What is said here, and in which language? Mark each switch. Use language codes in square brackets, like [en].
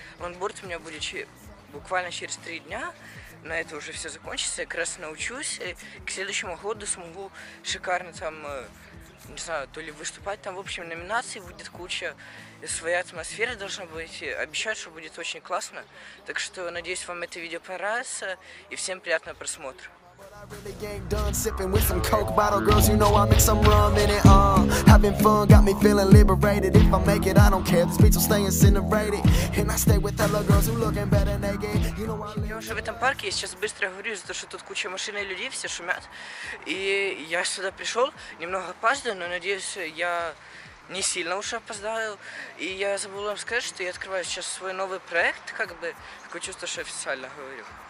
[ru] Лонгборд у меня будет буквально через 3 дня. На это уже все закончится, я как раз научусь. И к следующему году смогу шикарно там, не знаю, то ли выступать там. В общем, номинаций будет куча. Своя атмосфера должна быть. Обещаю, что будет очень классно. Так что, надеюсь, вам это видео понравится. И всем приятного просмотра. [en] I really ain't done sipping with some coke bottle girls. You know I mix some rum in it. Having fun got me feeling liberated. If I make it, I don't care. This beach will stay incinerated. And I stay with hella girls who looking better naked. You know I'm. [ru] Я уже в этом парке. Я сейчас быстро говорю, из-за того, что тут куча машин и людей, все шумят. И я сюда пришел немного опаздываю, но надеюсь, я не сильно уже опоздаю. И я забыла вам сказать, что я открываю сейчас свой новый проект, как бы такое чувство, что официально говорю.